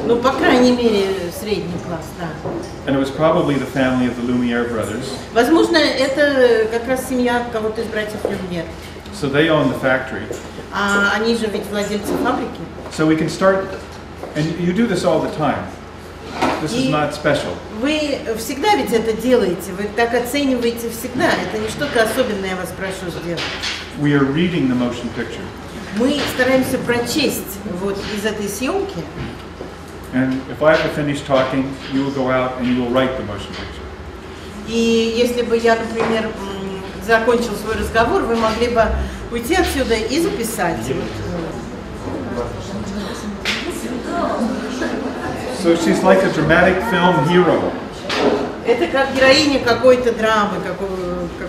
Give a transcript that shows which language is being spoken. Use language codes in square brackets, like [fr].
[ru] Ну, по крайней мере, средний класс, да. [en] And it was probably the family of the Lumiere brothers. [ru] Возможно, это как раз семья кого-то из братьев Люмьер. [en] So they own the factory. [ru] А они же ведь владельцы фабрики. [en] So we can start, and you do this all the time. This is not special. [ru] Вы всегда ведь это делаете. Вы так оцениваете всегда. Это не что-то особенное, я вас прошу сделать. [en] We are reading the motion picture. [ru] Мы стараемся прочесть вот из этой съемки. [en] And if I have to finish talking, you will go out and you will write the motion picture. [ru] И если бы я, например, закончил свой разговор, вы могли бы уйти отсюда и записать. [en] So she's like a dramatic film hero. [ru] Это как героиня какой-то драмы, какой-то.